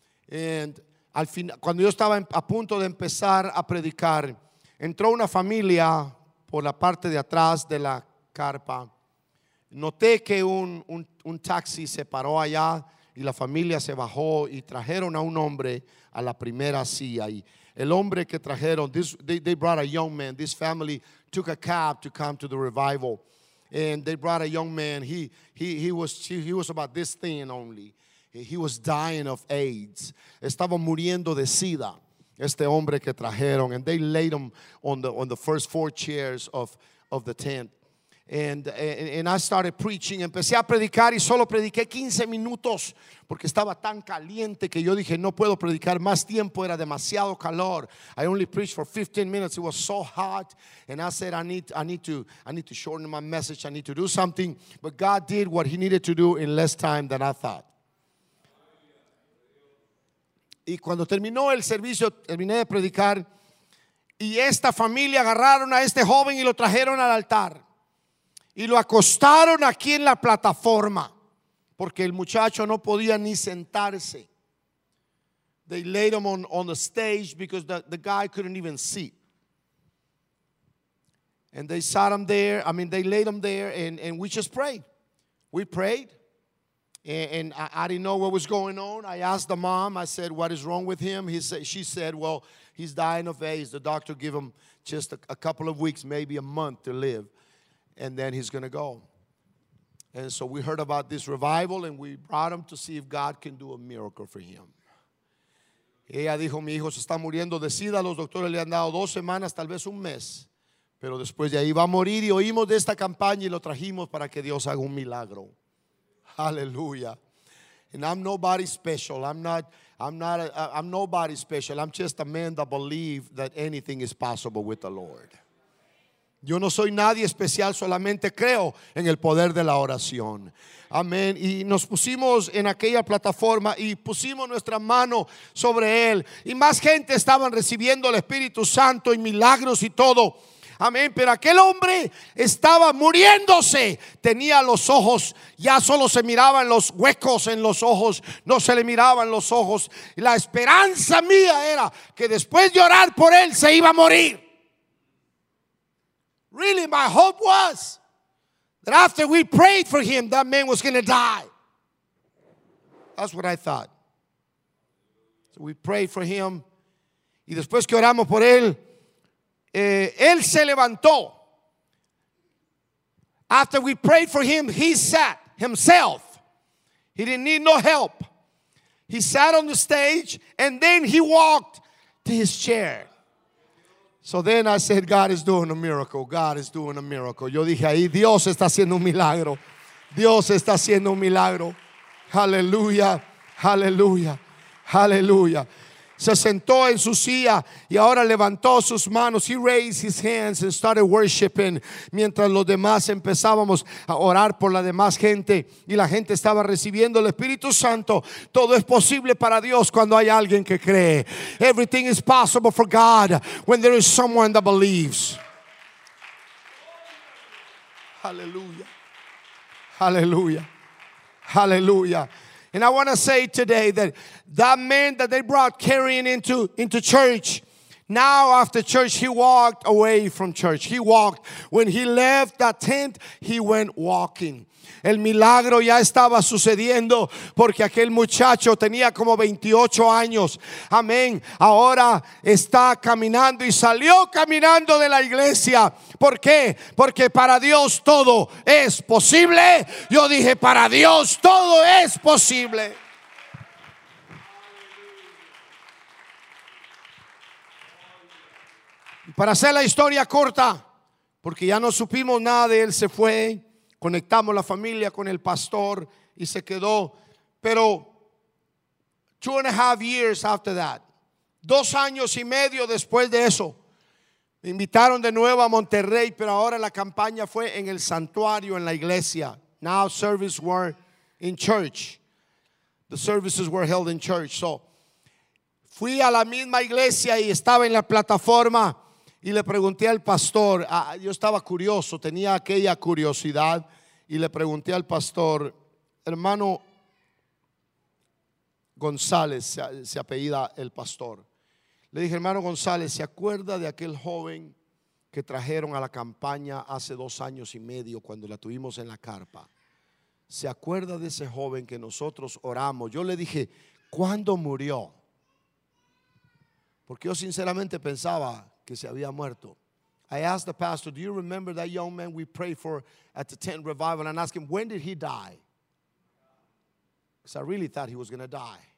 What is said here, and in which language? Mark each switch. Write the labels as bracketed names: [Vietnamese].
[Spanish] And al final, cuando yo estaba a punto de empezar a predicar, entró una familia por la parte de atrás de la carpa. Noté que un taxi se paró allá y la familia se bajó y trajeron a un hombre a la primera silla. Y el hombre que trajeron, [English] they brought a young man, this family took a cab to come to the revival, and they brought a young man. He was about this thin only. He was dying of AIDS. [Spanish] Estaba muriendo de SIDA. Este hombre que trajeron, [English] and they laid him on the first four chairs of the tent. And I started preaching. [Spanish] Empecé a predicar y solo prediqué 15 minutos porque estaba tan caliente que yo dije no puedo predicar más tiempo, era demasiado calor. [English] I only preached for 15 minutes. It was so hot. And I said I need to shorten my message. I need to do something. But God did what he needed to do in less time than I thought. [Spanish] Y cuando terminó el servicio, terminé de predicar, y esta familia agarraron a este joven y lo trajeron al altar. Y lo acostaron aquí en la plataforma, porque el muchacho no podía ni sentarse. [English] They laid him on the stage because the guy couldn't even sit. And they sat him there, I mean, they laid him there, and we just prayed. We prayed. And I didn't know what was going on. I asked the mom. I said, what is wrong with him? She said, well, he's dying of AIDS. The doctor gave him just a couple of weeks, maybe a month to live. And then he's going to go. And so we heard about this revival, and we brought him to see if God can do a miracle for him. [Spanish] Ella dijo, mi hijo se está muriendo de SIDA. Los doctores le han dado 2 semanas, tal vez 1 mes. Pero después de ahí va a morir. Y oímos de esta campaña y lo trajimos para que Dios haga un milagro. [English] Hallelujah. And I'm nobody special. I'm nobody special. I'm just a man that believes that anything is possible with the Lord. [Spanish] Yo no soy nadie especial, solamente creo en el poder de la oración. Amén. Y nos pusimos en aquella plataforma y pusimos nuestra mano sobre él. Y más gente estaban recibiendo el Espíritu Santo y milagros y todo. Amén, pero aquel hombre estaba muriéndose. Tenía los ojos, ya solo se miraban los huecos en los ojos. No se le miraban los ojos. La esperanza mía era que después de orar por él se iba a morir. [English] Really, my hope was that after we prayed for him, that man was going to die. That's what I thought. So we prayed for him. [Spanish] Y después que oramos por él, él se levantó. [English] After we prayed for him, he sat himself. He didn't need no help. He sat on the stage and then he walked to his chair. So then I said, God is doing a miracle. God is doing a miracle. [Spanish] Yo dije ahí, Dios está haciendo un milagro. Dios está haciendo un milagro. Hallelujah. Hallelujah. Hallelujah. Se sentó en su silla y ahora levantó sus manos. [English] He raised his hands and started worshiping. [Spanish] Mientras los demás empezábamos a orar por la demás gente y la gente estaba recibiendo el Espíritu Santo. Todo es posible para Dios cuando hay alguien que cree. [English] Everything is possible for God when there is someone that believes. Hallelujah. Hallelujah. Hallelujah. And I want to say today that man that they brought carrying into church, now after church, he walked away from church. He walked. When he left that tent, he went walking. [Spanish] El milagro ya estaba sucediendo porque aquel muchacho tenía como 28 años. Amén. Ahora está caminando y salió caminando de la iglesia. ¿Por qué? Porque para Dios todo es posible. Yo dije, para Dios todo es posible. Para hacer la historia corta, porque ya no supimos nada de él, se fue. Conectamos la familia con el pastor y se quedó. Pero [English] 2.5 years after that, [Spanish] 2 años y medio después de eso, me invitaron de nuevo a Monterrey, pero ahora la campaña fue en el santuario, en la iglesia. [English] Now service were in church. The services were held in church. [Spanish] So fui a la misma iglesia y estaba en la plataforma y le pregunté al pastor. Yo estaba curioso, tenía aquella curiosidad. Y le pregunté al pastor, hermano González, se apellida el pastor. Le dije, hermano González, ¿se acuerda de aquel joven que trajeron a la campaña hace 2 años y medio cuando la tuvimos en la carpa? ¿Se acuerda de ese joven que nosotros oramos? Yo le dije, ¿cuándo murió? Porque yo sinceramente pensaba que se había muerto. [English] I asked the pastor, do you remember that young man we prayed for at the tent revival? And I asked him, when did he die? Because I really thought he was going to die.